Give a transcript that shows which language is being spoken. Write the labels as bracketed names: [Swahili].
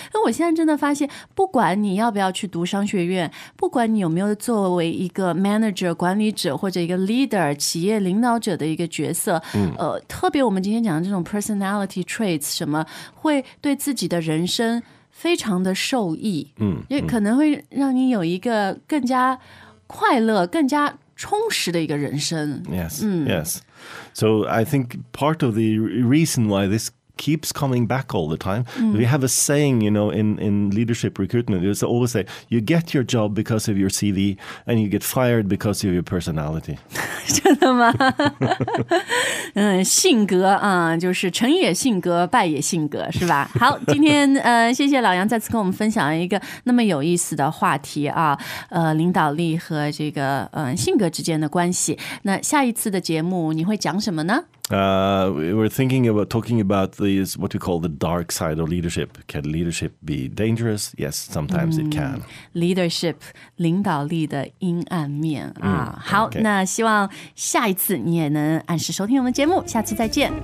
[Chinese] 那我现在真的发现，不管你要不要去读商学院，不管你有没有作为一个 manager 管理者或者一个 leader 企业领导者的一个角色，特别我们今天讲的这种 personality traits。什么会对自己的人生非常的受益，也可能会让你有一个更加快乐，更加充实的一个人生。 [English] Yes, yes. So I think part of the reason why this keeps coming back all the time, we have a saying, you know, in leadership recruitment, it's always say, you get your job because of your CV, and you get fired because of your personality. [Chinese] 真的吗？性格啊，就是成也性格，败也性格，是吧？好，今天谢谢老杨再次跟我们分享一个那么有意思的话题啊，领导力和这个性格之间的关系。那下一次的节目你会讲什么呢？ [English] We're thinking about talking about these, what we call the dark side of leadership. Can leadership be dangerous? Yes, sometimes it can. [Chinese] Leadership, 领导力的阴暗面啊。好， okay. 那希望下一次你也能按时收听我们节目，下次再见。